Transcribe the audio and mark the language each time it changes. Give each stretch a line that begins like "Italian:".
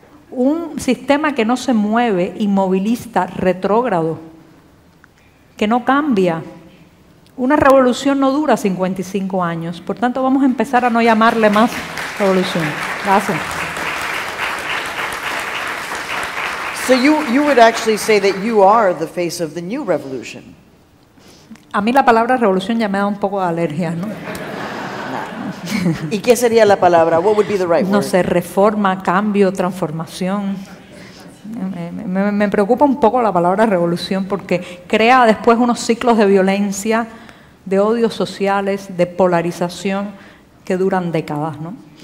Spanish: un sistema que no se mueve, inmovilista, retrógrado, que no cambia. Una revolución no dura 55 años. Por tanto, vamos a empezar a no llamarle más revolución. Gracias.
English: So you would actually say that you are the face of the new revolution.
Spanish: A mí la palabra revolución ya me da un poco de alergia, ¿no? ¿Y qué sería la palabra?
English: What would be the right
Spanish: no
English: word?
Spanish: No sé, reforma, cambio, transformación. Me preocupa un poco la palabra revolución porque crea después unos ciclos de violencia, de odios sociales, de polarización que duran décadas, ¿no?